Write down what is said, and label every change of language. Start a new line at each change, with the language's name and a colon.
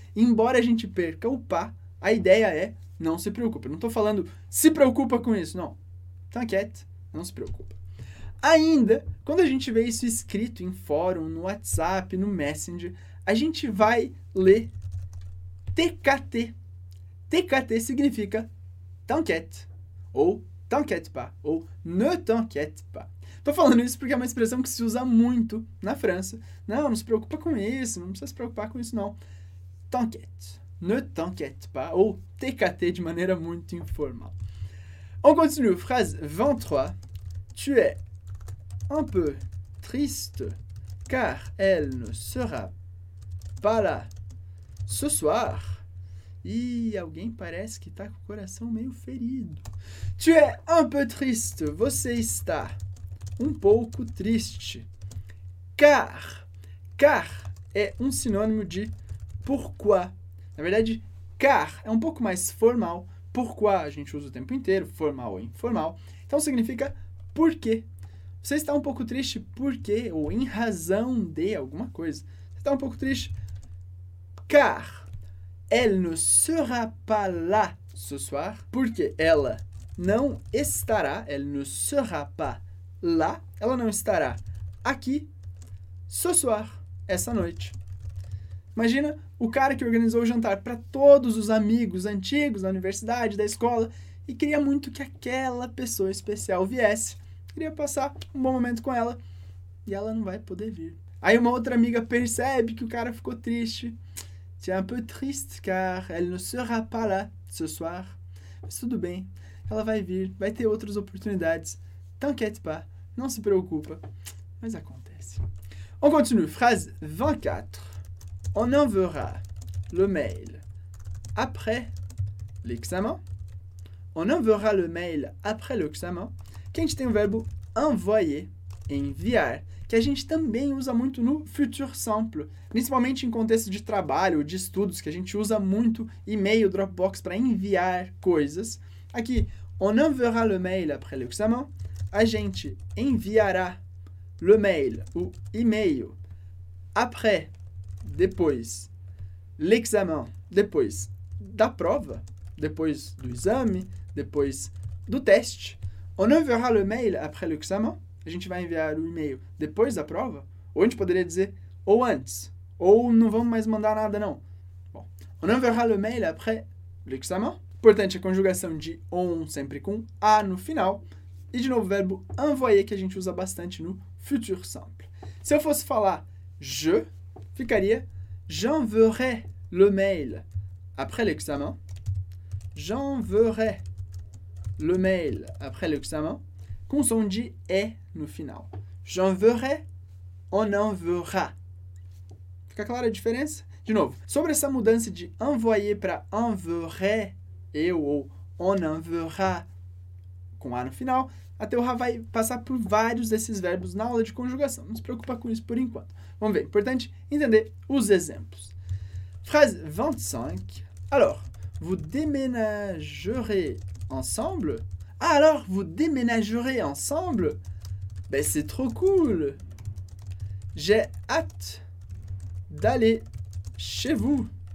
Portuguese: Embora a gente perca o pa, a ideia é não se preocupa. Não estou falando se preocupa com isso, não. T'inquiète, não se preocupa. Ainda, quando a gente vê isso escrito em fórum, no WhatsApp, no Messenger, a gente vai ler TKT. TKT significa t'inquiète, ou
French: t'inquiète pas,
Portuguese: ou
French: ne t'inquiète pas.
Portuguese: Tô falando isso porque é uma expressão que se usa muito na França. Não, não se preocupa com isso, não precisa se preocupar com isso, não. T'inquiète.
French: Ne t'inquiète pas.
Portuguese: Ou TKT de maneira muito informal.
French: On continue. Phrase 23. Tu es un peu triste car elle ne sera pas là ce soir.
Portuguese: Ih, alguém parece que tá com o coração meio ferido.
French: Tu es un peu triste.
Portuguese: Você está um pouco triste. Car é um sinônimo de pourquoi. Na verdade, car é um pouco mais formal. Pourquoi a gente usa o tempo inteiro, formal ou informal. Então significa por quê. Você está um pouco triste porque ou em razão de alguma coisa. Você está um pouco triste.
French: Car elle ne sera pas là ce soir.
Portuguese: Porque ela não estará.
French: Elle ne sera pas là.
Portuguese: Ela não estará aqui
French: ce soir,
Portuguese: essa noite. Imagina o cara que organizou o jantar para todos os amigos antigos da universidade, da escola, e queria muito que aquela pessoa especial viesse. Queria passar um bom momento com ela e ela não vai poder vir. Aí uma outra amiga percebe que o cara ficou triste.
French: C'est un peu triste car elle ne sera pas là ce soir.
Portuguese: Mas tudo bem, ela vai vir, vai ter outras oportunidades.
French: T'inquiète pas.
Portuguese: Não se preocupe, mas acontece.
French: On continue, phrase 24. On enverra le mail après l'examen. On enverra le mail après l'examen.
Portuguese: Que a gente tem o verbo envoyer, enviar, que a gente também usa muito no futuro simple, principalmente em contexto de trabalho, de estudos, que a gente usa muito e-mail, Dropbox para enviar coisas. Aqui,
French: on enverra le mail après l'examen.
Portuguese: A gente enviará le mail, o e-mail, après, depois, l'examen, depois da prova, depois do exame, depois do teste.
French: On enverra le mail après l'examen.
Portuguese: A gente vai enviar o e-mail depois da prova. Ou a gente poderia dizer, ou antes, ou não vamos mais mandar nada, não. Bom,
French: on enverra le mail après l'examen.
Portuguese: Importante a conjugação de on sempre com a no final. E, de novo, o verbo envoyer, que a gente usa bastante no futur simple. Se eu fosse falar je, ficaria
French: j'enverrai le mail après l'examen. J'enverrai le mail après l'examen.
Portuguese: Com som de é no final.
French: J'enverrai, on enverra.
Portuguese: Fica clara a diferença? De novo, sobre essa mudança de envoyer para enverrai, eu ou
French: on enverra,
Portuguese: com a no final, a Teoha vai passar por vários desses verbos na aula de conjugação. Não se preocupa com isso por enquanto. Vamos ver. Importante entender os exemplos.
French: Phrase 25. Alors, vous déménagerez ensemble? Alors, vous déménagerez ensemble? Ben, c'est trop cool! J'ai hâte d'aller chez vous.